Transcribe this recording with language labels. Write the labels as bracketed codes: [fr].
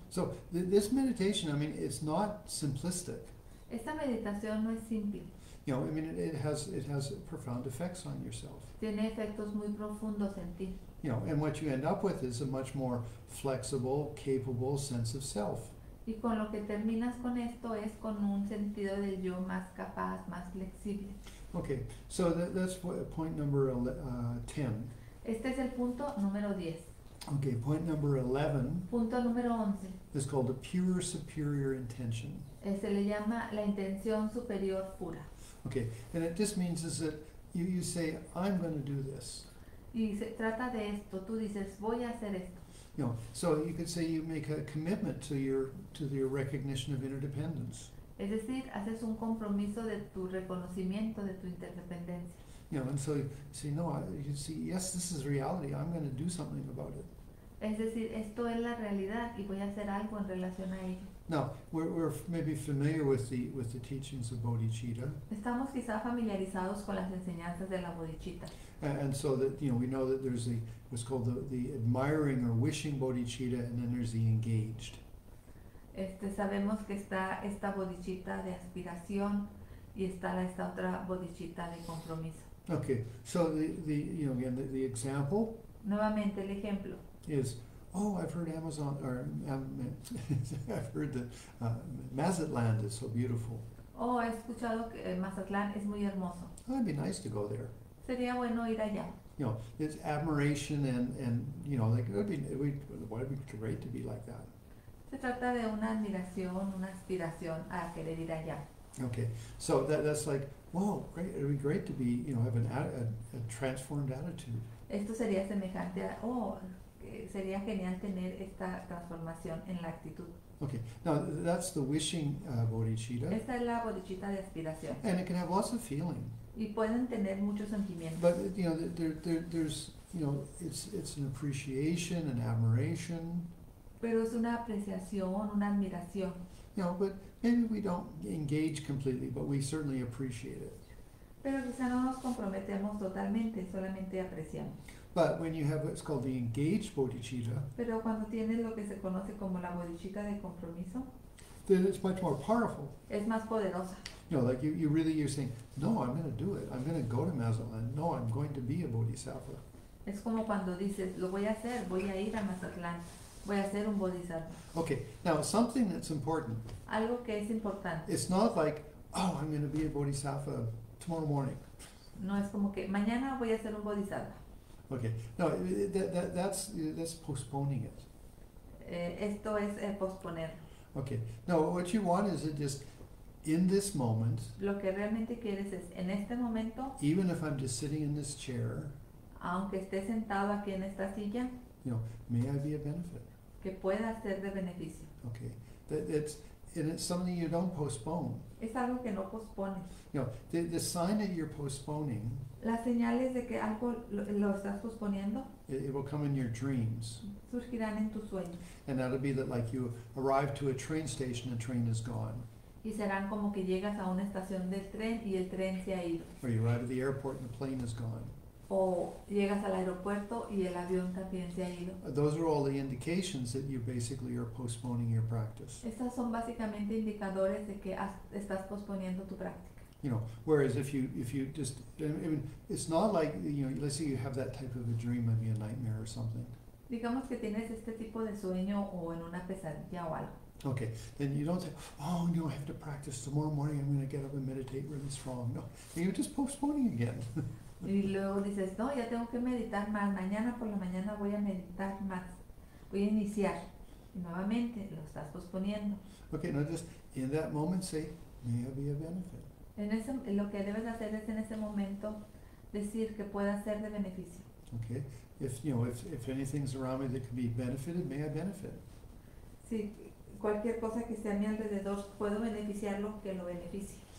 [en] So, this meditation, I mean, it's not simplistic. [es] Esta meditación no es simple. [en] You know, I mean, it has profound effects on yourself. [es] Tiene efectos muy profundos en ti. [en] You know, and what you end up with is a much more flexible, capable sense of self. [es] Y con lo que terminas con esto es con un sentido del yo más capaz, más flexible. [en] Okay, so that's point number 10. [es] Este es el punto número 10. [en] Okay, point number 11. [es] Punto número 11. [en] Is called a pure superior intention. [es] Se le llama la intención superior pura. [en] Okay, and it just means is that you say, I'm going to do this. [es] Y se trata de esto, tú dices, voy a hacer esto. [en] You know, so you could say you make a commitment to your recognition of interdependence. [es] Es decir, haces un compromiso de tu reconocimiento de tu interdependencia. [en] You know, and so you see, this is reality. I'm going to do something about it. [es] Es decir, esto es la realidad y voy a hacer algo en relación a ello. [en] Now, we're maybe familiar with the teachings of Bodhicitta. [es] Estamos quizá familiarizados con las enseñanzas de la Bodhicitta. [en] And so that, you know, we know that there's the what's called the admiring or wishing Bodhicitta, and then there's the engaged. [es] Sabemos que está esta Bodhicitta de aspiración y está esta otra Bodhicitta de compromiso. [en] Okay, so the you know, again, the example. [es] Nuevamente el ejemplo. [en] Is, oh, I've heard Amazon, or I've heard that Mazatlán is so beautiful. [es] Oh, he escuchado que Mazatlán es muy hermoso. [en] Oh, it'd be nice to go there. [es] Sería bueno ir allá. [en] You know, it's admiration and you know, like, it would be great to be like that. [es] Se trata de una admiración, una aspiración a querer ir allá. [en] Okay, so that's like, wow, great, it'd be great to be, you know, have a transformed attitude. [es] Esto sería semejante a, oh, sería genial tener esta transformación en la actitud. [en] Okay, now that's the wishing bodhicitta. [es] Esta es la bodhicitta de aspiración. [en] And it can have lots of feeling. [es] Y pueden tener muchos sentimientos. [en] But, you know, there's, you know, it's an appreciation, an admiration. [es] Pero es una apreciación, una admiración. [en] You know, but maybe we don't engage completely, but we certainly appreciate it. [es] Pero quizá no nos comprometemos totalmente, solamente apreciamos. [en] But when you have what's called the engaged bodhicitta, [es] pero cuando tienes lo que se conoce como la bodhicitta de compromiso, [en] then it's much more powerful. [es] Es más poderosa. [en] No, like you really, you're saying, no, I'm going to do it. I'm going to go to Mazatlán. No, I'm going to be a bodhisattva. [es] Es como cuando dices, lo voy a hacer, voy a ir a Mazatlán, voy a ser un bodhisattva. [en] Okay, now something that's important. [es] Algo que es importante. [en] It's not like, oh, I'm going to be a bodhisattva tomorrow morning. [es] No es como que mañana voy a ser un bodhisattva. [en] Okay, no, that's postponing it. [es] Esto es posponerlo. [en] Okay, no, what you want is it just in this moment, [es] Lo que realmente quieres es en este momento, [en] even if I'm just sitting in this chair, [es] aunque esté sentado aquí en esta silla, [en] may I be a benefit? [es] que pueda ser de beneficio. [en] Okay, and it's something you don't postpone. [es] Es algo que no pospones. [en] The sign that you're postponing, [es] Las señales de que algo lo estás posponiendo [en] it will come in your dreams. [es] surgirán en tus sueños. [en] And that'll be that like you arrive to a train station, the train is gone. [es] Y serán como que llegas a una estación del tren y el tren se ha ido. [en] Or you arrive at the airport and the plane is gone. [es] O llegas al aeropuerto y el avión también se ha ido. [en] Those are all the indications that you basically are postponing your practice. [es] Estas son básicamente indicadores de que estás posponiendo tu práctica. [en] Whereas if you just, I mean, it's not like, let's say you have that type of a dream, maybe a nightmare or something. [es] Digamos que tienes este tipo de sueño o en una pesadilla o algo. [en] Okay, then you don't say, oh no, I have to practice tomorrow morning, I'm going to get up and meditate really strong. No, you're just postponing again. [es] Y luego dices, no, ya tengo que meditar más, mañana por la mañana voy a meditar más, voy a iniciar. Y nuevamente lo estás posponiendo. [en] Okay, now just in that moment say, may I be a benefit? [es] En eso, lo que debes hacer es en ese momento decir que pueda ser de beneficio. [en] Okay, if anything's around me that could be benefited, may I benefit? [es] Si cualquier cosa que esté a mi alrededor puedo beneficiarlo, que lo beneficie.